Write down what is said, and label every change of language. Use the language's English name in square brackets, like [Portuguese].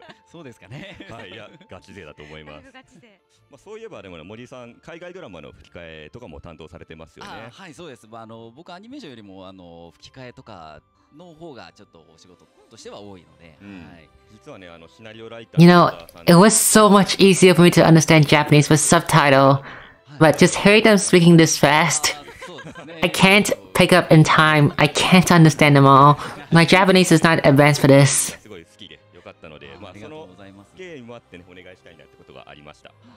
[Japanese] そうですかねはい、いやガチ勢だと思いますガチ勢、まあ、そういえばでも、ね、森さん海外ドラマの吹き替えとかも担当されてますよね。あ、はい、そうです、まあ、あの僕アニメーションよりもあの吹き替えとかの方がちょっとお仕事としては多いので、うん、はい、実はねあのシナリオライター [English] You know, it was so much easier for me to understand Japanese with subtitle、 [Japanese] はい、 [English] but just hearing them speaking this fast、 [Japanese] ね、 [English] I can't pick up in time I can't understand them all My Japanese is not advanced for this [Japanese] すごい好きで良かったので、まあ、ありがとうございます。そのゲームあってねお願いしたいなってことがありました、